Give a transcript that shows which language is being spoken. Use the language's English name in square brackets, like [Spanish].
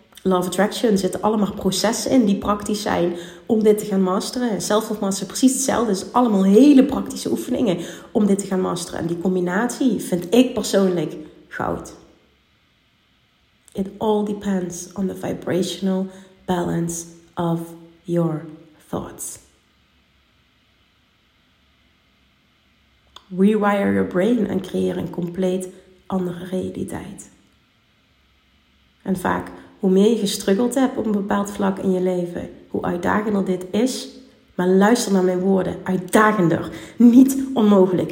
[Dutch] Love attraction zitten allemaal processen in die praktisch zijn om dit te gaan masteren. Self-love master, precies hetzelfde. Het is allemaal hele praktische oefeningen om dit te gaan masteren. En die combinatie vind ik persoonlijk goud. [English] It all depends on the vibrational balance of your thoughts. Rewire your brain [Dutch] en creëer een compleet andere realiteit. En vaak, hoe meer je gestruggeld hebt op een bepaald vlak in je leven, hoe uitdagender dit is. Maar luister naar mijn woorden, uitdagender, niet onmogelijk.